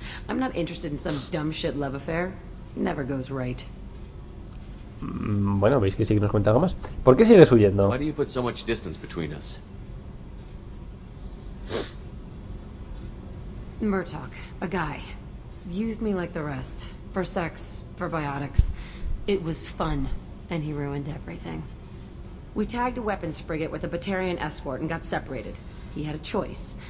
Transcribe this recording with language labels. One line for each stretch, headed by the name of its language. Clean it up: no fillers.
English: I'm not interested in some dumb shit love affair. Never goes right.
Spanish: Bueno, veis que sí que nos cuenta algo más. ¿Por qué sigues huyendo?
English: Why do you put so much distance between us? Murtaugh, a guy. Used me like the rest. For sex, for biotics. It was fun, and he ruined everything. We tagged a weapons frigate with a Batarian escort and got separated. He had a choice.